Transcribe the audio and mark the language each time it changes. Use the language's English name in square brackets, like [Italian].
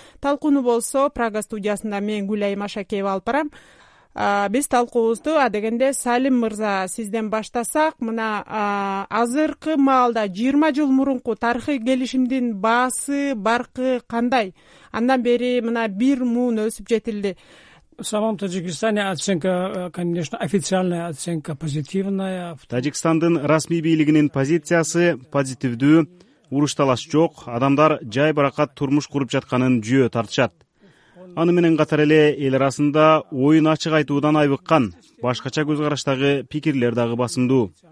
[Kyrgyz] Талкууну болсо Прага студиясында мен Гүлайма Шакеева алып барам. Биз талкуубузду адегенде Салим мырза сизден баштасак, мына азыркы маалда 20 жыл мурунку тарыхый келишимдин баасы, баркы кандай? Андан бери мына бир муун өсүп жетилди. [Russian] В самом Таджикистане оценка, конечно, официальная оценка позитивная. [Kyrgyz] Таджикстандын расмий бийлигинин позициясы позитивдүү. Урушталаш жок, адамдар жай баракат турмуш куруп жатканын жүйө тартышат. Аны менен катар эле эл арасында оюн ачык айтуудан айбыккан башкача көз караштагы пикирлер дагы басымдуу.